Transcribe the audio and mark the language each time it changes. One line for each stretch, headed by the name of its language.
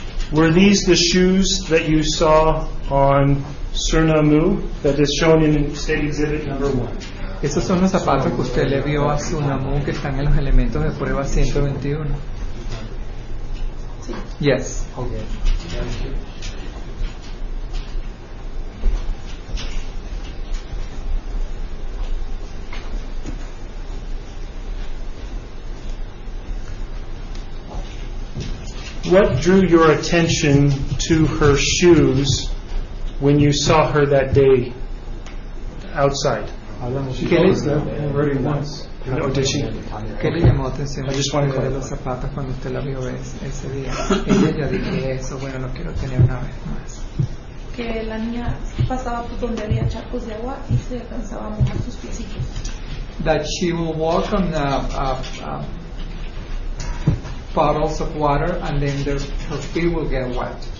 English: Were these the shoes that you saw on Surnamu that is shown in State Exhibit number 1?
Spanish: Esos son los zapatos que usted le vio a Sunamu que están en los elementos de prueba 121. Sí.
English: Yes. Okay. What drew your attention to her shoes when you saw her that day outside?
Spanish: ¿Qué le llamó atención de los zapatos cuando usted la vio ese día? Ella ya dijo eso, bueno, lo quiero tener una vez más. Que la niña pasaba por donde había charcos de agua y se alcanzaba a mojar sus pisitos.
English: That she will walk on the puddles of water and then her feet will get wet.